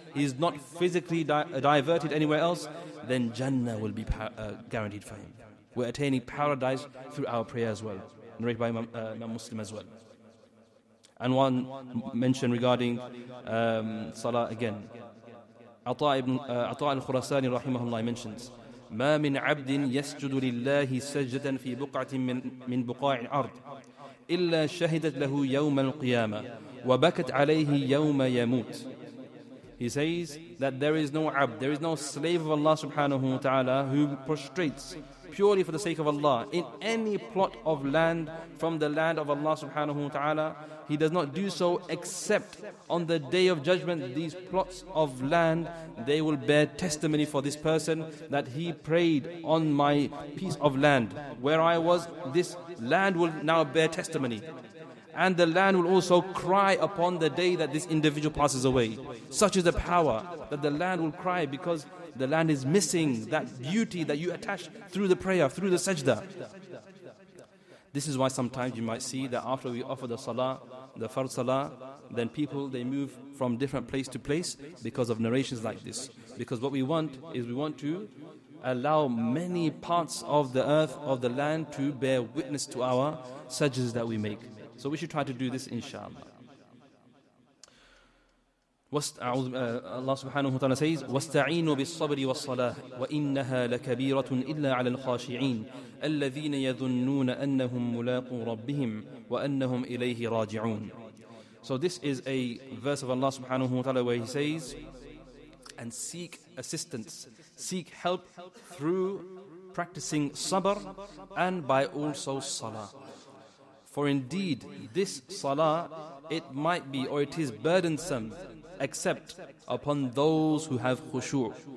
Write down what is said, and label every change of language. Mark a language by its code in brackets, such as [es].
[en] he is not physically diverted anywhere else, then Jannah will be guaranteed for him. We're attaining paradise through our prayer as well, narrated by Imam Muslim as well. And one mention regarding salah again. [ar] Ata' al-Khurasani rahimahullah mentions, مَا مِنْ عَبْدٍ يَسْجُدُ لِلَّهِ سَجْدَةً فِي بُقْعَةٍ مِنْ بُقَاعِ الْأَرْضِ إِلَّا شَهِدَتْ لَهُ يَوْمَ الْقِيَامَةِ وَبَكَتْ عَلَيْهِ يَوْمَ يَمُوتِ. [en] He says that there is no abd, there is no slave of Allah subhanahu wa ta'ala who prostrates purely for the sake of Allah in any plot of land from the land of Allah subhanahu wa ta'ala, he does not do so except on the day of judgment. These plots of land, they will bear testimony for this person that he prayed on my piece of land where I was, this land will now bear testimony. And the land will also cry upon the day that this individual passes away. Such is the power that the land will cry, because the land is missing that beauty that you attach through the prayer, through the sajda. This is why sometimes you might see that after we offer the salah, the fard salah, then people, they move from different place to place because of narrations like this. Because what we want is we want to allow many parts of the earth, of the land, to bear witness to our sajdas that we make. So we should try to do this, inshallah. [ar] Allah subhanahu wa ta'ala says, وَاسْتَعِينُوا بِالصَّبْرِ وَالصَّلَاةِ وَإِنَّهَا لَكَبِيرَةٌ إِلَّا عَلَى الْخَاشِعِينَ الَّذِينَ يَظُنُّونَ أَنَّهُمْ مُلَاقُوا رَبِّهِمْ وَأَنَّهُمْ إِلَيْهِ رَاجِعُونَ. [en] So this is a verse of Allah subhanahu wa ta'ala where he says, and seek assistance, seek help through practicing sabr and by also salah. For indeed, this salah, it might be, or it is burdensome, except upon those who have khushu'.